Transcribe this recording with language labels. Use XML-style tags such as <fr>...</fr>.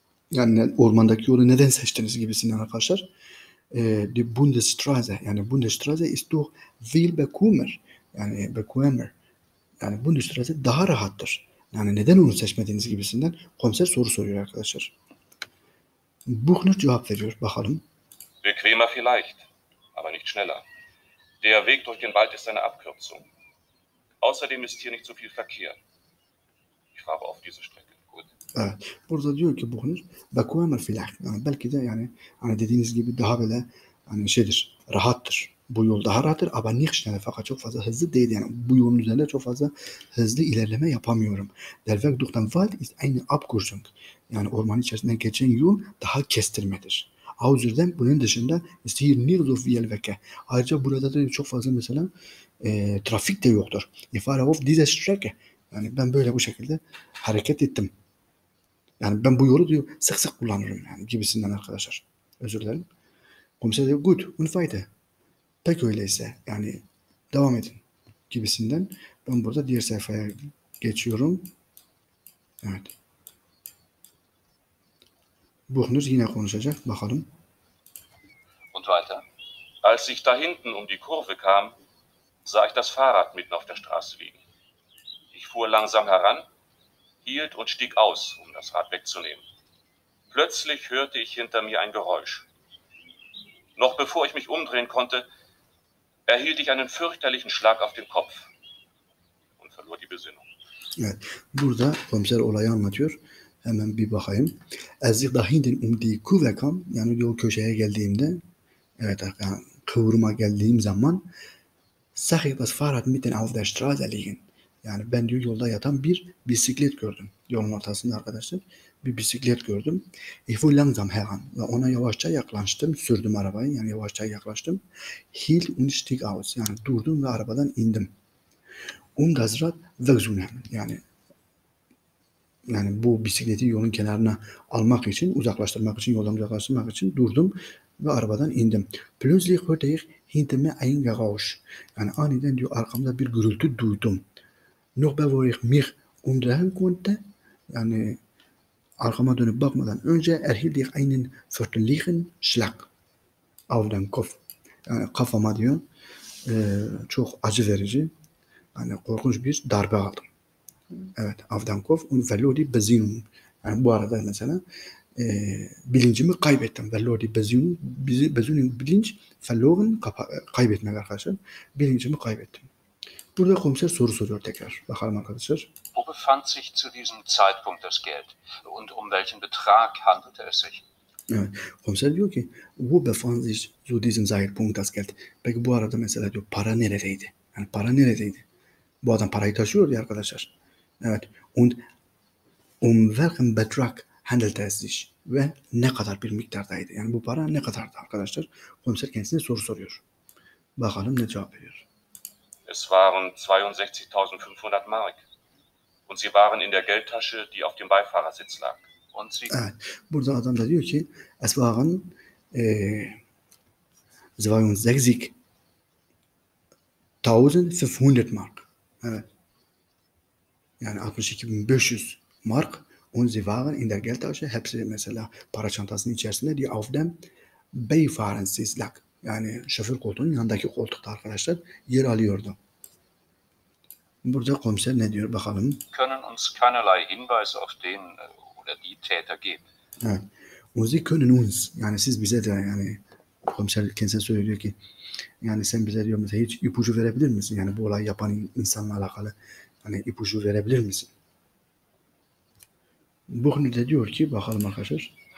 <tr>Yani ormandaki yolu neden seçtiniz gibisinden arkadaşlar.</tr> <de>Die Bundesstraße,</de> <tr>yani</tr> <de>Bundesstraße ist doch viel bequemer.</de> <tr>Yani bequemer. Yani</tr> <de>Bundesstraße</de> <tr>daha rahattır. Yani neden onu seçmediğiniz gibisinden komiser soru soruyor arkadaşlar. Buchner cevap veriyor, bakalım.</tr> <de>Bequemer vielleicht, aber nicht schneller. Der Weg durch den Wald ist eine Abkürzung. Außerdem ist hier nicht so viel Verkehr. Ich fahre auf diese Strecke.</de> <tr>Evet. Burada diyor ki Buchner,</tr> <de>bequemer vielleicht.</de> <tr>Yani belki de yani hani dediğiniz gibi daha böyle hani şeydir, rahattır. Bu yol daha rahattır ama</tr> <de>nicht schneller,</de> <tr>fakat çok fazla hızlı değil. Yani bu yolun üzerinde çok fazla hızlı ilerleme yapamıyorum.</tr> <de>Der Weg durch den Wald ist eine Abkürzung.</de> <tr>Yani ormanın içerisinden geçen yol daha kestirmedir.</tr> <de>Außerdem</de> <tr>bunun dışında</tr> <de>ist hier nicht so viel Verkehr.</de> <tr>Ayrıca burada da çok fazla mesela trafik de yoktur.</tr> <de>Ich fahre auf diese Strecke.</de> <tr>Yani ben böyle bu şekilde hareket ettim. Yani ben bu yolu diyor sık sık kullanırım yani gibisinden arkadaşlar. Özür dilerim. Komiser diyor good, unfaite. Pek öyleyse yani devam edin gibisinden. Ben burada diğer sayfaya geçiyorum. Evet. Buchner yine konuşacak. Bakalım.</tr> <de>Und weiter. Als ich da hinten um die Kurve kam, sah ich das Fahrrad mitten auf der Straße liegen. Ich fuhr langsam heran, hielt und stieg aus, um das Rad wegzunehmen. Plötzlich hörte ich hinter mir ein Geräusch. Noch bevor ich mich umdrehen konnte, erhielt ich einen fürchterlichen Schlag auf den Kopf und verlor die Besinnung.</de> <tr>Evet, burada komiser olayı anlatıyor. Hemen bir bakayım.</tr> <de>Als ich dahinten um die Kurve kam,</de> <tr>yani yol köşeye geldiğimde, evet, yani kıvırıma geldiğim zaman,</tr> <de>sah ich das Fahrrad mitten auf der Straße liegen.</de> <tr>Yani ben diyor yolda yatan bir bisiklet gördüm. Yolun ortasında arkadaşlar bir bisiklet gördüm.</tr> <de>Ich fuhr langsam heran.</de> <tr>Ve ona yavaşça yaklaştım. Sürdüm arabayı. Yani yavaşça yaklaştım.</tr> <de>Hielt und stieg aus.</de> <tr>Yani durdum ve arabadan indim.</tr> <de>Um das Rad wegzunehmen.</de> <tr>Yani bu bisikleti yolun kenarına almak için, uzaklaştırmak için, yoldan uzaklaştırmak için durdum ve arabadan indim.</tr> <de>Plötzlich hörte ich hinter mir ein Geräusch.</de> <tr>Yani aniden diyor arkamda bir gürültü duydum.</tr> <de>Noch bevor ich mich umdrehen konnte, yani</de> <tr>Arkama dönüp bakmadan önce</tr> <de>erhielt ich einen fürchterlichen Schlag auf den Kopf.</de> <tr>Yani kafama diyor, çok acı verici, yani korkunç bir darbe aldım.</tr> <de>Evet, auf den Kopf und verlor die Besinnung.</de> <tr>Yani bu arada mesela bilincimi kaybettim.</tr> <de>Verlor die Besinnung,</de> <tr>bilinç</tr> <de>verloren,</de> <tr>kaybetmek arkadaşlar. Bilincimi kaybettim. Burada komiser soru soruyor tekrar. Bakalım arkadaşlar.</tr> <de>Wo befand sich zu diesem Zeitpunkt das Geld? Und um welchen Betrag handelte es sich?</de> <tr>Evet.</tr> <de>Komiser diyor ki, wo befand sich zu diesem Zeitpunkt das Geld?</de> <tr>Peki bu arada mesela diyor, para neredeydi? Yani para neredeydi? Bu adam parayı taşıyordu arkadaşlar. Evet.</tr> <de>Und um welchen Betrag handelte es sich?</de> <tr>Ve ne kadar bir miktardaydı? Yani bu para ne kadardı arkadaşlar? Komiser kendisine soru soruyor. Bakalım ne cevap veriyor.</tr> <de>Es waren 62.500 Mark. Und sie waren in der Geldtasche, die auf dem Beifahrersitz lag. Und sie</de> <tr>evet, burada adam da diyor ki,</tr> <de>es waren 62.500 Mark.</de> <tr>Evet. Yani 62.500 Mark.</tr> <de>Und sie waren in der Geldtasche,</de> <tr>hepsi mesela para çantasının içerisinde,</tr> <de>die auf dem Beifahrersitz lag.</de> <tr>Yani şoför koltuğunun yanındaki koltukta arkadaşlar yer alıyordu. Burada komiser ne diyor bakalım.</tr> <de>Können uns keinerlei Hinweis auf den oder die Täter geben. Und sie können uns,</de> <tr>yani siz bize de, yani komiser kendisine söylüyor ki, yani sen bize diyor mesela hiç ipucu verebilir misin? Yani bu olayı yapan insanla alakalı hani ipucu verebilir misin? Buchner de diyor ki, bakalım arkadaşlar.</tr>